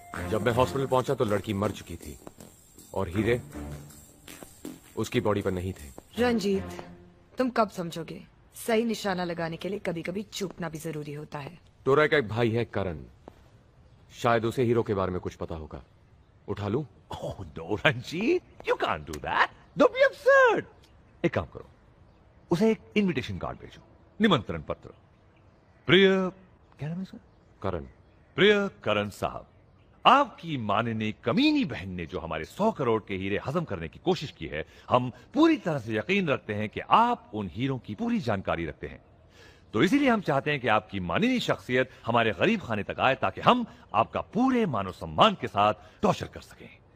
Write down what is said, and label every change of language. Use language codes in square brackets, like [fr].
[hi] जब मैं हॉस्पिटल पहुंचा तो लड़की मर चुकी थी और हीरे उसकी बॉडी पर नहीं थे। रंजीत तुम कब समझोगे, सही निशाना लगाने के लिए कभी कभी चूकना भी जरूरी होता है। टोरा का एक भाई है करण, शायद उसे हीरो के बारे में कुछ पता होगा, उठा लूं? [en] Oh no, Ranjit, you can't do that. Don't be absurd. [hi] एक काम करो, उसे एक इनविटेशन कार्ड भेजो, निमंत्रण पत्र। प्रिय, क्या नाम है उसका? करण। प्रिय करण साहब, आपकी माननीय कमीनी बहन ने जो हमारे 100 करोड़ के हीरे हजम करने की कोशिश की है, हम पूरी तरह से यकीन रखते हैं कि आप उन हीरों की पूरी जानकारी रखते हैं, तो इसीलिए हम चाहते हैं कि आपकी माननीय शख्सियत हमारे गरीब खाने तक आए ताकि हम आपका पूरे मानव सम्मान के साथ टॉर्चर कर सकें।